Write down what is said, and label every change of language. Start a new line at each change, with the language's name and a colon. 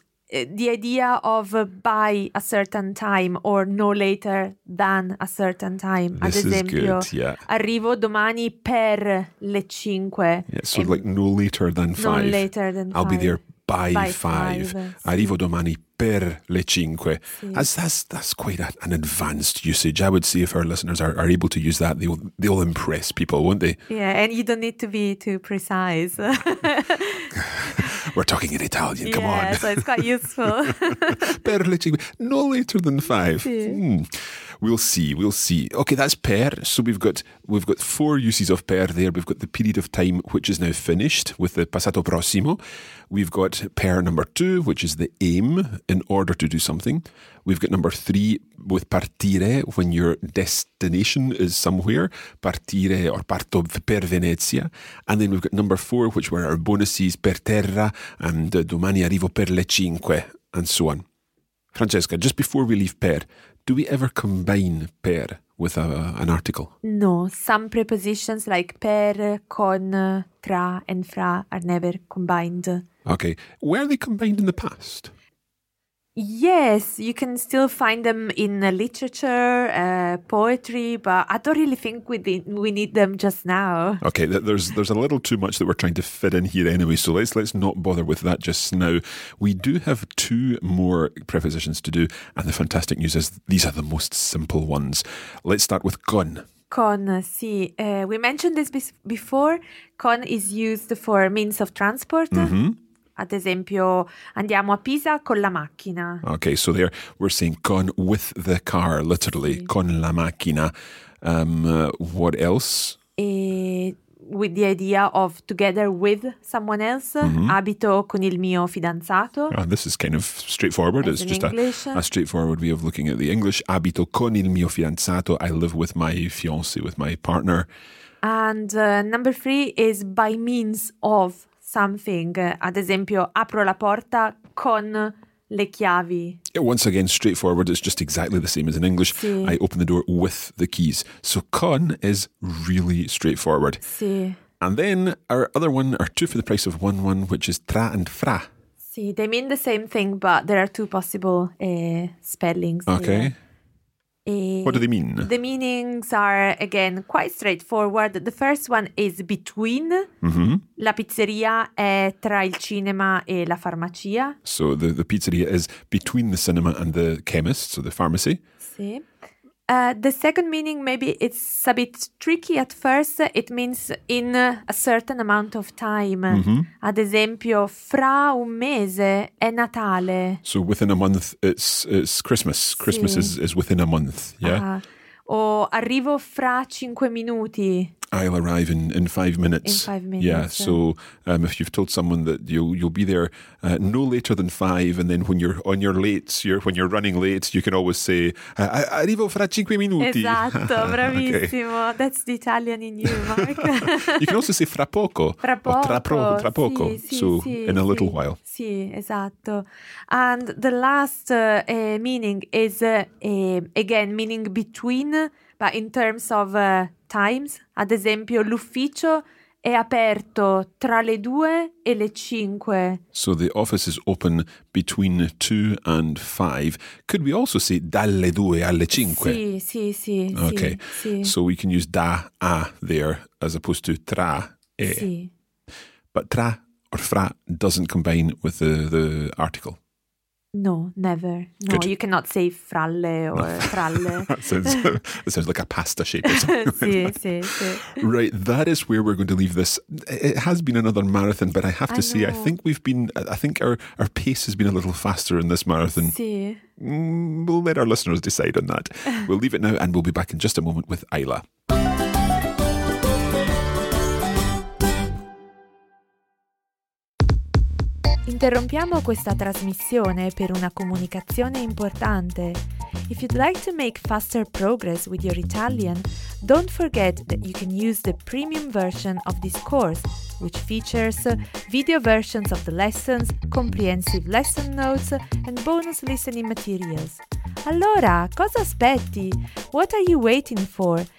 English: The idea of by a certain time or no later than a certain time. This
Italian: ad esempio,
English: is good, yeah. Arrivo domani per le cinque. Yeah, so like no later than five. No later than I'll five. Be there by five.
Italian: Sì. Arrivo domani per le cinque. Sì.
English: That's quite an advanced usage. I would say if our listeners are able to use that, they'll impress people, won't they? Yeah, and you don't need to be too precise. We're talking in Italian, yeah, come on. Yeah, so it's quite useful.
Italian: Per le cinque,
English: no later than five.
Italian: Sì.
English: We'll see. Okay, that's per. So we've got four uses of per there. We've got the period of time, which is now finished with the passato prossimo. We've got per number two, which is the aim, in order to do something. We've got number three with partire, when your destination is somewhere.
Italian: Partire or parto per Venezia.
English: And then we've got number four, which were our bonuses, per terra, and
Italian: domani arrivo per le cinque,
English: and so on. Francesca, just before we leave per, do we ever combine per with an article? No, some prepositions like per, con, tra and fra are never combined. Okay, were they combined in the past? Yes, you can still find them in literature, poetry, but I don't really think we need them just now. Okay, there's a little too much that we're trying to fit in here anyway, so let's not bother with that just now. We do have two more prepositions to do, and the fantastic news is these are the most simple ones. Let's start with con.
Italian: Con, sì.
English: We mentioned this before. Con is used for means of transport. Mm-hmm.
Italian: Ad esempio, andiamo a Pisa con la macchina.
English: Okay, so there we're saying con with the car, literally, sì.
Italian: Con la macchina.
English: What else? With the idea of together with someone else, mm-hmm.
Italian: abito con il mio fidanzato.
English: Oh, this is kind of straightforward. As it's just a straightforward way of looking at the English. Abito con il mio fidanzato. I live with my fiancé, with my partner. And number three is by means of something.
Italian: Ad esempio, apro la porta con le chiavi.
English: Yeah, once again, straightforward. It's just exactly the same as in English.
Italian: Sì.
English: I open the door with the keys. So con is really straightforward.
Italian: Sì.
English: And then our other one, our two for the price of one, which is tra and fra. Sì, they mean the same thing, but there are two possible spellings. Okay. What do they mean? The meanings are, again, quite straightforward. The first one is between. Mm-hmm.
Italian: La pizzeria è tra il cinema e la farmacia.
English: So the pizzeria is between the cinema and the chemist, so the pharmacy.
Italian: Sì.
English: The second meaning, maybe it's a bit tricky at first. It means in a certain amount of time. Mm-hmm.
Italian: Ad esempio, fra un mese è Natale.
English: So within a month, it's Christmas. Christmas
Italian: sì.
English: is within a month, yeah?
Italian: O arrivo fra 5 minuti.
English: I'll arrive in 5 minutes. In 5 minutes. Yeah. So if you've told someone that you'll be there no later than five, and then when you're on your late, when you're running late, you can always say
Italian: arrivo fra 5 minuti. Esatto, bravissimo. Okay.
English: That's the Italian in you, Mark. You can also say fra poco.
Italian: Fra poco. Tra poco. Sì,
English: so
Italian: sì,
English: in a little
Italian: sì.
English: while.
Italian: Sì, esatto.
English: And the last meaning is again meaning between, but in terms of times,
Italian: ad esempio, l'ufficio è aperto tra le 2 e le 5.
English: So the office is open between 2 and 5. Could we also say
Italian: dalle 2 alle 5? Sì, sì, sì.
English: Okay,
Italian: sì, sì.
English: So we can use da, a there as opposed to tra, e.
Italian: Sì.
English: But tra or fra doesn't combine with the article. No, never. No, good. You cannot say fralle or fralle. That sounds like a pasta shape or something.
Italian: Sì,
English: like
Italian: sì, sì.
English: Right, that is where we're going to leave this. It has been another marathon, but I have to say, I think our pace has been a little faster in this marathon.
Italian: Sì.
English: We'll let our listeners decide on that. We'll leave it now and we'll be back in just a moment with Ayla.
Italian: Interrompiamo questa trasmissione per una comunicazione importante.
English: If you'd like to make faster progress with your Italian, don't forget that you can use the premium version of this course, which features video versions of the lessons, comprehensive lesson notes, and bonus listening materials.
Italian: Allora, cosa aspetti?
English: What are you waiting for?